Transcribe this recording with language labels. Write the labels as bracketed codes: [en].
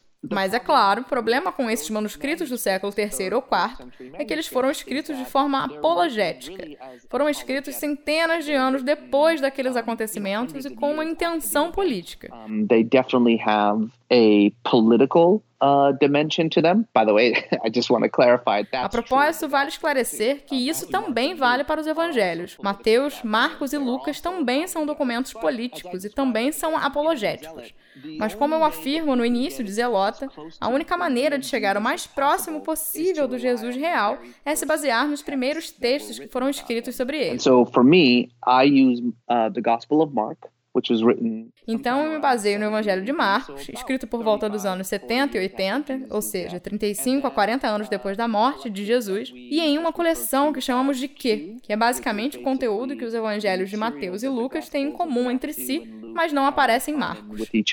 [pt] Mas é claro, o problema com esses manuscritos do século 3º ou 4º é que eles foram escritos de forma apologética. Foram escritos centenas de anos depois daqueles acontecimentos e com uma intenção política. [en] They definitely have a political dimension to them. By the way, I just want to clarify that. [pt] A propósito, vale esclarecer que isso também vale para os evangelhos. Mateus, Marcos e Lucas também são documentos políticos e também são apologéticos. Mas como eu afirmo no início de Zelota, a única maneira de chegar o mais próximo possível do Jesus real é se basear nos primeiros textos que foram escritos sobre ele. [en] So for me, I use the Gospel of Mark. [pt] Então, eu me baseio no Evangelho de Marcos, escrito por volta dos anos 70 e 80, ou seja, 35 a 40 anos depois da morte de Jesus, e em uma coleção que chamamos de Q, que é basicamente o conteúdo que os Evangelhos de Mateus e Lucas têm em comum entre si, mas não aparece em Marcos.